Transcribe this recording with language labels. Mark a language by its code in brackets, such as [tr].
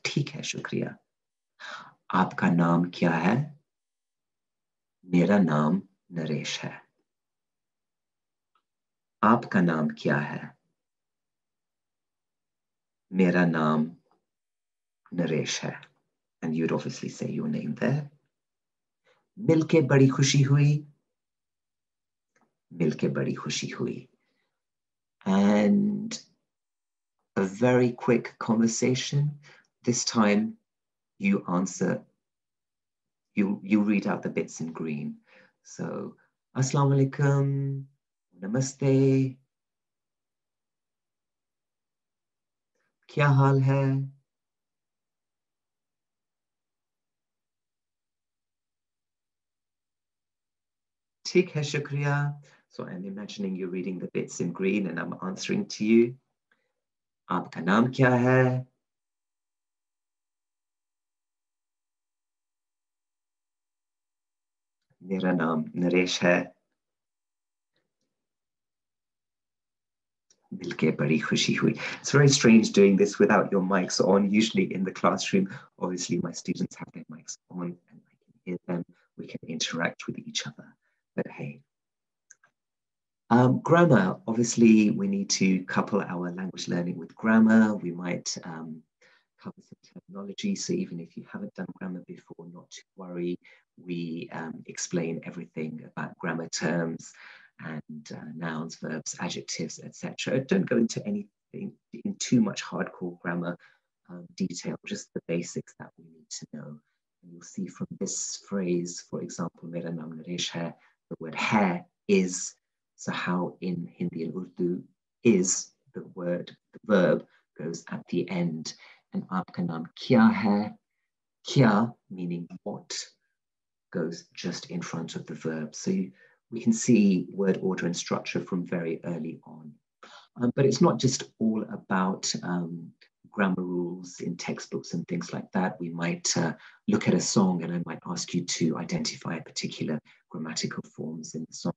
[hi] ठीक है, शुक्रिया. आपका नाम क्या है? मेरा नाम नरेश है. आपका नाम क्या है? मेरा नाम नरेश है. [en] And you'd obviously say your name there. [hi] मिलके बड़ी खुशी हुई. मिलके बड़ी खुशी हुई. [en] And a very quick conversation. This time you answer, you read out the bits in green. So, [hi] अस्सलामु अलैकुम, नमस्ते. क्या हाल है? ठीक है, शुक्रिया. [en] So I'm imagining you reading the bits in green and I'm answering to you. [hi] आपका नाम क्या है? मेरा नाम नरेश है. मिलके बड़ी खुशी हुई. [en] It's very strange doing this without your mics on. Usually in the classroom, obviously my students have their mics on and I can hear them. We can interact with each other. But hey. Grammar, obviously we need to couple our language learning with grammar. We might cover some terminology. So even if you haven't done grammar before, not to worry. We explain everything about grammar terms and nouns, verbs, adjectives, etc. Don't go into anything in too much hardcore grammar detail, just the basics that we need to know. And you'll see from this phrase, for example, [hi] mera naam Naresh hai, [en] the word hair is. So how in Hindi and Urdu is the word, the verb goes at the end. And [hi] आपका नाम क्या है? [en] Kya meaning what goes just in front of the verb. So we can see word order and structure from very early on. But it's not just all about grammar rules in textbooks and things like that. We might look at a song and I might ask you to identify a particular grammatical forms in the song.